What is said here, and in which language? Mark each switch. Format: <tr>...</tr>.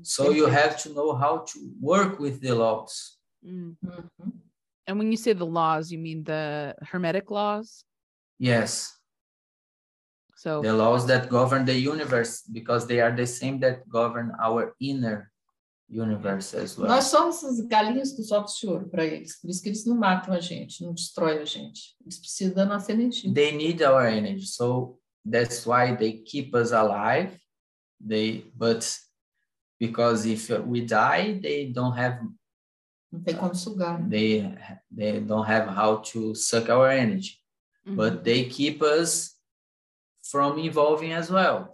<en>So you have to know how to work with the laws. Mm-hmm. And when you say the laws, you mean the hermetic laws? Yes. So the laws that govern the universe, because they are the same that govern our inner universe as well.</en> <pt>Nós somos as galinhas dos ovos de ouro para eles. Por isso que eles não matam a gente, não destroem a gente. Eles precisam da nossa energia.</pt> <en>They need our energy. So that's why they keep us alive. But because if we die, they don't have...</en> <pt>Não tem como sugar.</pt> <en>They don't have how to suck our energy. Mm-hmm. But they keep us from evolving as well.</en>